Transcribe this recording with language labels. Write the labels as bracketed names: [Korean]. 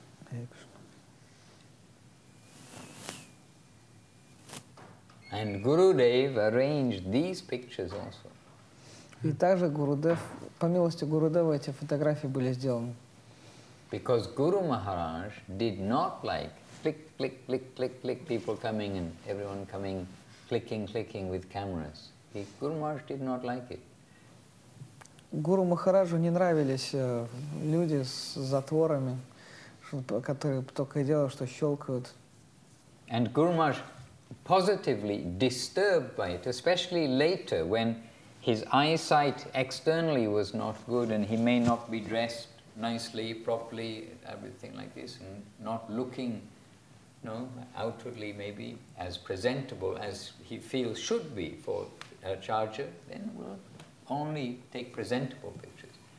[English] Hare Krishna. And Gurudev arranged these pictures also. [Russian] И также Гурудев, по милости Гурудева, эти фотографии были сделаны. [English] Because Guru Maharaj did not like click, click, click, click, click, people coming and everyone coming, clicking, clicking with cameras. Guru Maharaj did not like it. [Russian] Гуру Махараджу не нравились люди с затворами, которые только и делают, что щелкают. [English] And Guru Maharaj positively disturbed by it, especially later when his eyesight externally was not good and he may not be dressed nicely, properly, everything like this, and not looking, you know, outwardly maybe as presentable as he feels should be for a charger, then we'll only take presentable pictures.